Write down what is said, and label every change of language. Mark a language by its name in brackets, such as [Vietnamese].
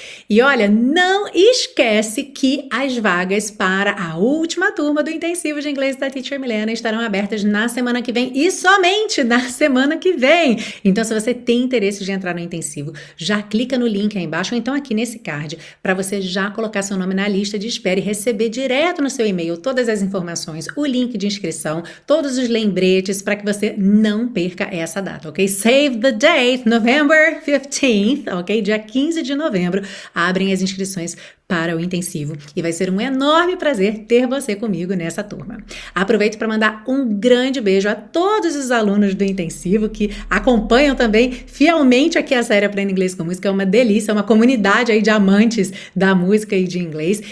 [Portuguese] E olha, não esquece que as vagas para a última turma do intensivo de inglês da Teacher Milena estarão abertas na semana que vem e somente na semana que vem. Então, se você tem interesse de entrar no intensivo, já clica no link aí embaixo ou então aqui nesse card para você já colocar seu nome na lista de espera e receber direto no seu e-mail todas as informações, o link de inscrição, todos os lembretes para que você não perca essa data, ok? [English] Save the date, November 15th, ok? [Portuguese] Dia 15 de novembro. Abrem as inscrições para o intensivo e vai ser um enorme prazer ter você comigo nessa turma. Aproveito para mandar um grande beijo a todos os alunos do intensivo que acompanham também fielmente aqui a série Aprenda Inglês com Música. É uma delícia, é uma comunidade aí de amantes da música e de inglês.